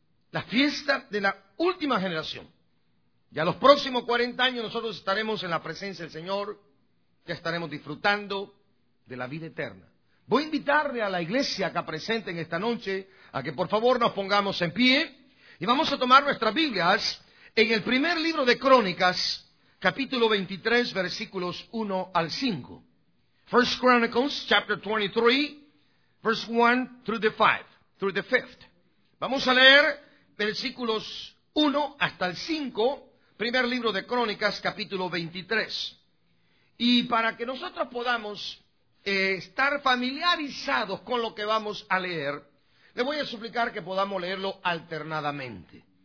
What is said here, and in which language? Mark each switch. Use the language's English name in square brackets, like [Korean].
[Spanish] La fiesta de la última generación. Ya los próximos 40 años nosotros estaremos en la presencia del Señor, ya estaremos disfrutando de la vida eterna. Voy a invitarle a la iglesia acá presente en esta noche a que por favor nos pongamos en pie y vamos a tomar nuestras Biblias en el primer libro de Crónicas, capítulo 23, versículos 1 al 5. [English] 1 Chronicles, chapter 23, verse 1 through the 5, through the 5th. [Spanish] Vamos a leer versículos 1 hasta el 5, primer libro de Crónicas, capítulo 23. Y para que nosotros podamos estar familiarizados con lo que vamos a leer, le voy a suplicar que podamos leerlo alternadamente.